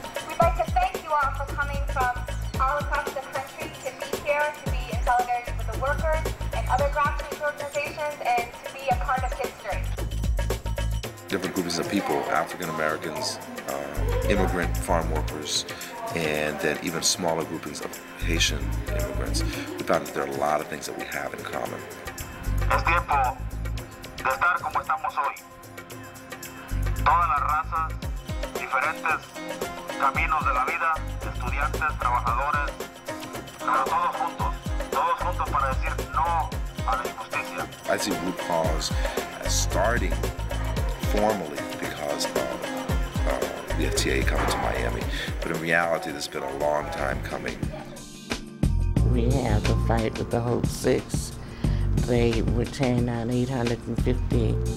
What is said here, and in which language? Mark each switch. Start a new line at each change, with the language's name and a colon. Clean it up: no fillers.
English: We'd like to thank you all for coming from all across the country to be here, to be in solidarity with the workers and other grassroots organizations, and to be a part of history. Different groups of people, African Americans, immigrant farm workers, and then even smaller groupings of Haitian immigrants. We found that there are a lot of things that we have in common. It's
Spanish: tiempo. De estar como estamos hoy. Todas las razas, diferentes caminos de la vida, estudiantes, trabajadores, pero todos juntos para decir no a la injusticia.
English: I see root cause as starting formally because of the FTA coming to Miami, but in reality, this has been a long time coming. We had to fight with the whole six. They retained on 850